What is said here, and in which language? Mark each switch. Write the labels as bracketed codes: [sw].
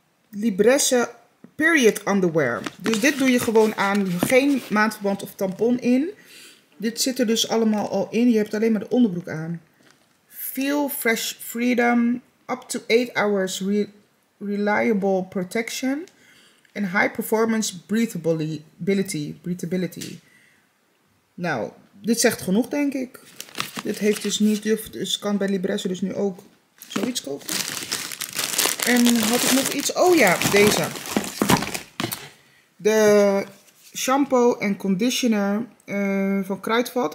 [en] Libresse period underwear. [nl] Dus dit doe je gewoon aan. Geen maandverband of tampon in. Dit zit er dus allemaal al in. Je hebt alleen maar de onderbroek aan. [en] Feel fresh freedom. Up to 8 hours reliable protection. [nl] En [en] high performance breathability. [nl] Nou, dit zegt genoeg denk ik. Dit heeft dus niet. Dus kan bij Libresse dus nu ook zoiets kopen. En had ik nog iets? Oh ja, deze. De shampoo en conditioner van Kruidvat.